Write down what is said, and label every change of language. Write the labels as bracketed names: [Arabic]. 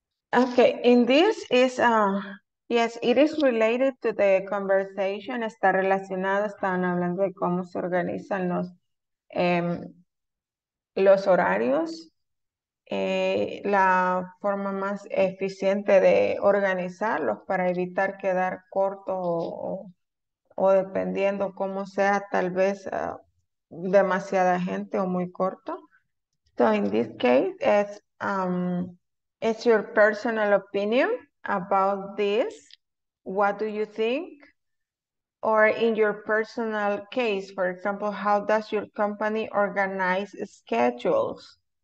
[English] Okay, in this is, yes, it is related to the conversation. [Spanish] Está relacionado, están hablando de cómo se organizan los horarios. La forma más eficiente de organizarlos para evitar quedar corto o dependiendo cómo sea, tal vez demasiada gente o muy corto. [English] So in this case, it's your personal opinion about this. What do you think? Or in your personal case, for example, how does your company organize schedules?